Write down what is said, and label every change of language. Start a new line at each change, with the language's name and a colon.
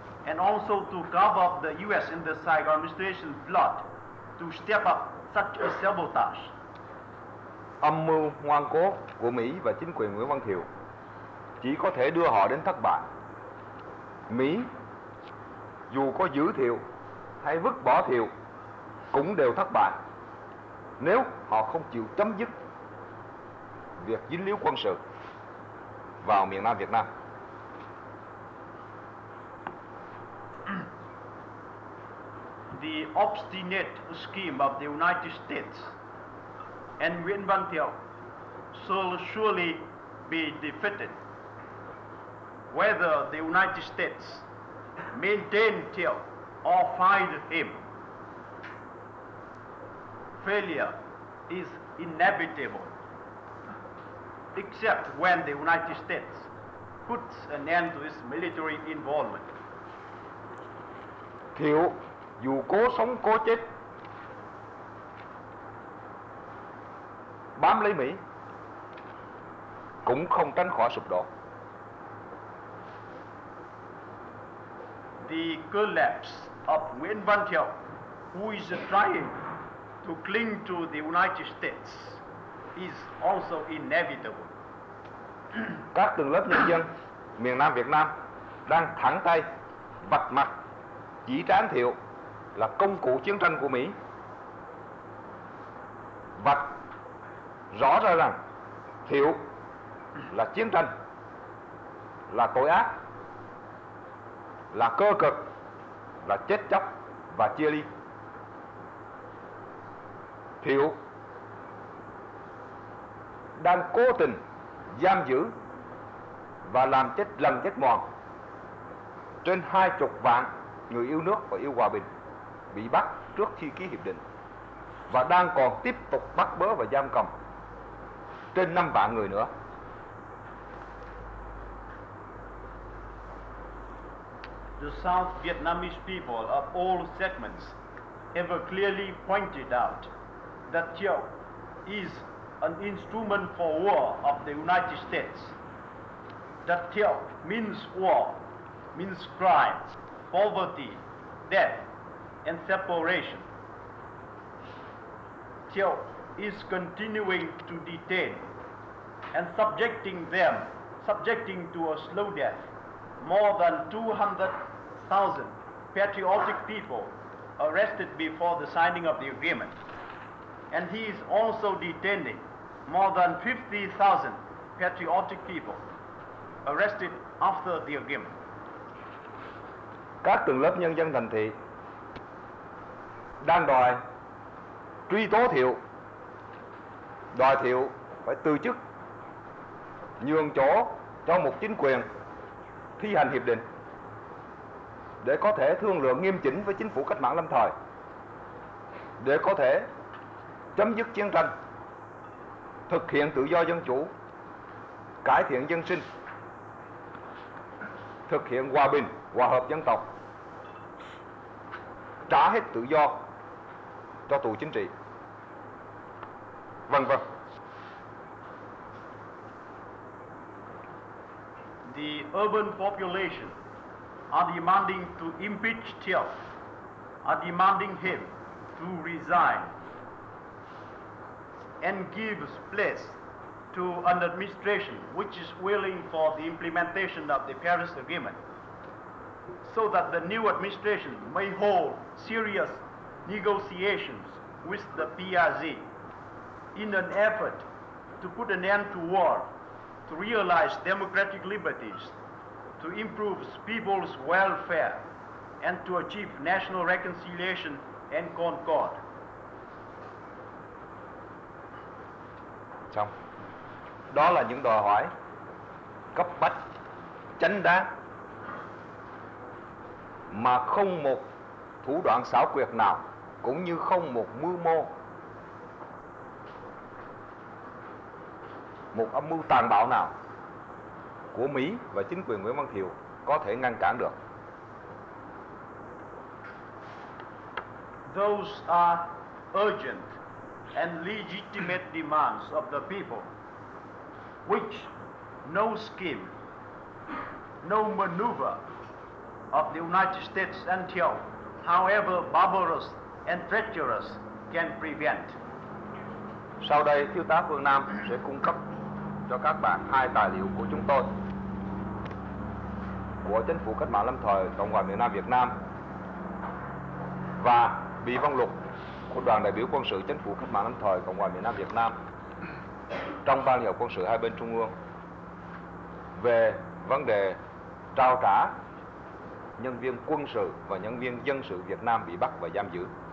English: And also to cover up the U.S. and the Saigon administration's plot to step up such a sabotage.
Vietnamese: Âm mưu ngoan cố của Mỹ và chính quyền Nguyễn Văn Thiệu chỉ có thể đưa họ đến thất bại. Mỹ dù có giữ Thiệu hay vứt bỏ Thiệu cũng đều thất bại nếu họ không chịu chấm dứt việc dính líu quân sự vào miền Nam Việt Nam.
English: The obstinate scheme of the United States and Nguyễn Văn Thiệu shall surely be defeated. Whether the United States maintain Thiệu or find him, failure is inevitable, except when the United States puts an end to its military involvement.
Vietnamese: Thiệu dù cố sống cố chết bám lấy Mỹ cũng không tránh khỏi sụp đổ.
English: The collapse of Nguyễn Văn Thiệu, who is trying to cling to the United States, is also inevitable.
Vietnamese: Các tầng lớp nhân dân miền Nam Việt Nam đang thẳng tay vạch mặt chỉ trích Thiệu là công cụ chiến tranh của Mỹ, và rõ ra rằng Thiệu là chiến tranh, là tội ác, là cơ cực, là chết chóc và chia ly. Thiệu đang cố tình giam giữ và làm chết lần chết mòn trên 20 vạn người yêu nước và yêu hòa bình bị bắt trước khi ký hiệp định, và đang còn tiếp tục bắt bớ và giam cầm trên 5 vạn người nữa.
English: The South Vietnamese people of all segments have clearly pointed out that Thieu is an instrument for war of the United States. That Thieu means war, means crime, poverty, death, and separation. Thieu is continuing to detain and subjecting to a slow death more than 200,000 patriotic people arrested before the signing of the agreement. And he is also detaining more than 50,000 patriotic people arrested after the agreement.
Vietnamese: Các tầng lớp nhân dân thành thị đang đòi truy tố Thiệu, đòi Thiệu phải từ chức, nhường chỗ cho một chính quyền thi hành hiệp định để có thể thương lượng nghiêm chỉnh với chính phủ cách mạng lâm thời, để có thể chấm dứt chiến tranh, thực hiện tự do dân chủ, cải thiện dân sinh, thực hiện hòa bình, hòa hợp dân tộc, trả hết tự do cho tù chính trị, vân vân.
English: The urban population are demanding to impeach Thieu, are demanding him to resign and give place to an administration which is willing for the implementation of the Paris Agreement, so that the new administration may hold serious negotiations with the PRC in an effort to put an end to war, to realize democratic liberties, to improve people's welfare, and to achieve national reconciliation and concord.
Vietnamese: Xong. Đó là những đòi hỏi cấp bách, chánh đáng, mà không một thủ đoạn xảo quyệt nào, cũng như không một mưu mô, một âm mưu tàn bạo nào của Mỹ và chính quyền Nguyễn Văn Thiệu có thể ngăn cản được.
English: Those are urgent and legitimate demands of the people, which no scheme, no maneuver of the United States and Thieu, however barbarous and treacherous, can prevent.
Vietnamese: Sau đây, Thiếu tá Phương Nam sẽ cung cấp cho các bạn hai tài liệu của chúng tôi, của Chính phủ Cách mạng Lâm thời Cộng hòa miền Nam Việt Nam và bì văn lục của đoàn đại biểu quân sự Chính phủ Cách mạng Lâm thời Cộng hòa miền Nam Việt Nam trong ban hiệu quân sự hai bên trung ương về vấn đề trao trả nhân viên quân sự và nhân viên dân sự Việt Nam bị bắt và giam giữ.